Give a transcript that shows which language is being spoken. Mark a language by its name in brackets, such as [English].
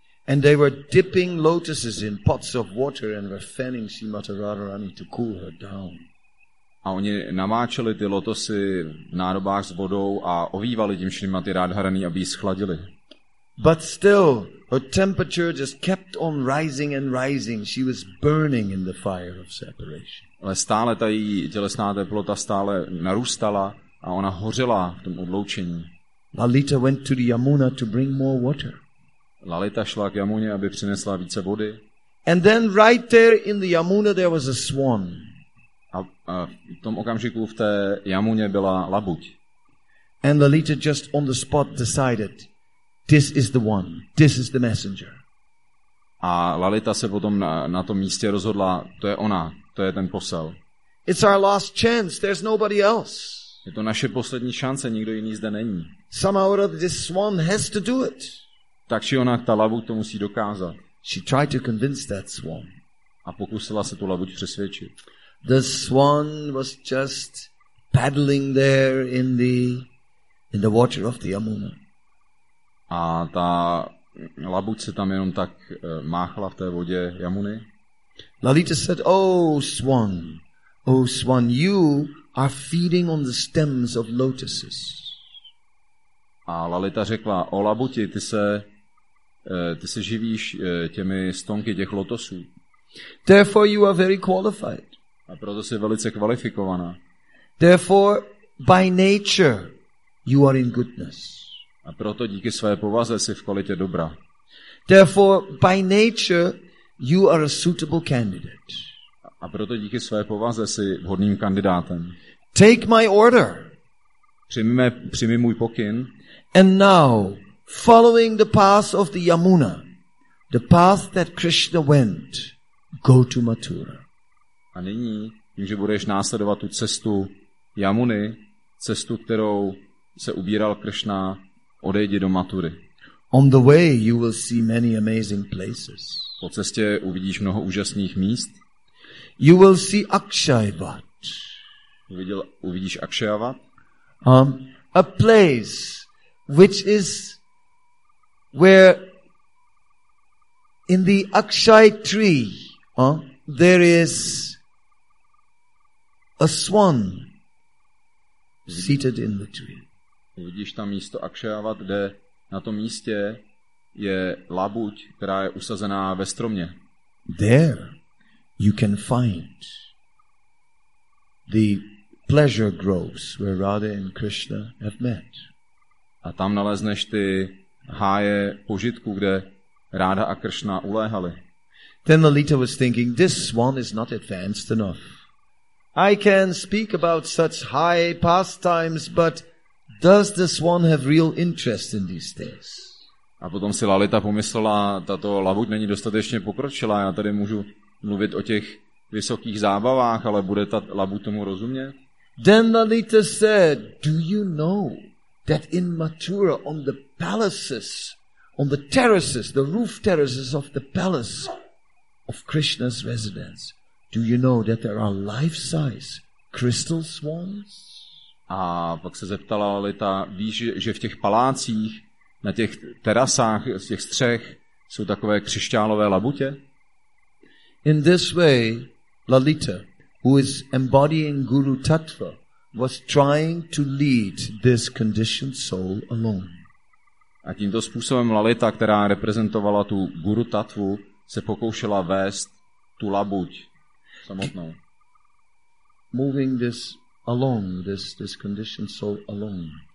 [English] And they were dipping lotuses in pots of water and were fanning Srimati Radharani to cool her down. [Czech] A oni namáčeli ty lotosy v nádobách s vodou a ovívali tím Srimati Radharani, aby ji schladili. [English] But still her temperature just kept on rising and rising. She was burning in the fire of separation. [Czech] Ale stále ta její tělesná teplota stále narůstala a ona hořela v tom odloučení. [English] Lalita went to the Yamuna to bring more water. [Czech] Lalita šla k Yamuně, aby přinesla více vody. [English] And then right there in the Yamuna there was a swan. [Czech] A v tom okamžiku v té Yamuně byla labuť. [English] And Lalita just on the spot decided, this is the one, this is the messenger. [Czech] A Lalita se potom na tom místě rozhodla, to je ona, to je ten posel. [English] It's our last chance, there's nobody else. [Czech] Je to naše poslední šance, nikdo jiný zde není. [English] Somehow or other, this swan has to do it. [Czech] Tak či onak, ta labuť to musí dokázat. [English] She tried to convince that swan. [Czech] A pokusila se tu labuť přesvědčit. [English] The swan was just paddling there in the water of the Yamuna. [Czech] A ta labuť se tam jenom tak máchla v té vodě Yamuny. [English] Lalita said, oh swan, you are feeding on the stems of lotuses. [Czech] A Lalita řekla, o labuti, ty se živíš těmi stonky těch lotosů. [English] Therefore you are very qualified. [Czech] A proto jsi velice kvalifikovaná. [English] Therefore By nature, you are in goodness. [Czech] A proto díky své povaze jsi v kvalitě dobra. [English] Therefore, by nature, you are a suitable candidate. [Czech] A proto díky své povaze jsi vhodným kandidátem. [English] Take my order. [Czech] Přijmi můj pokyn. [English] And now, following the path of the Yamuna, the path that Krishna went, go to Mathura. [Czech] A nyní, tím, že budeš následovat tu cestu Yamuny, cestu, kterou se ubíral Krishna, odejdi do Mathury. [English] On the way you will see many amazing places. [Czech] Po cestě uvidíš mnoho úžasných míst. [English] You will see Akshayavat. [Czech] Uvidíš Akshayavat? [English] A place which is where in the Akshay tree, there is a swan seated in the tree. [Czech] Uvidíš tam místo Akshayavat, kde na tom místě je labuť, která je usazená ve stromě. [English] There you can find the pleasure groves where Radha and Krishna have met. [Czech] A tam nalezneš ty háje požitku, kde Radha a Krishna uléhali. [English] Then Lalita was thinking, this one is not advanced enough. I can speak about such high pastimes, but does this one have real interest in these things? [Czech] A potom si Lalita pomyslela, tato labuť není dostatečně pokročila, já tady můžu mluvit o těch vysokých zábavách, ale bude ta labuť tomu rozumět? [English] Then Lalita said, do you know that in Mathura, on the palaces, on the terraces, the roof terraces of the palace of Krishna's residence, do you know that there are life-size crystal swans? [Czech] A pak se zeptala Lalita, víš, že v těch palácích, na těch terasách, z těch střech, jsou takové křišťálové labutě? [English] In this way, Lalita, who is embodying Guru Tattva, was trying to lead this conditioned soul alone. [Czech] A tímto způsobem Lalita, která reprezentovala tu Guru Tattvu, se pokoušela vést tu labuť samotnou. [English] Moving this along, this conditioned soul alone.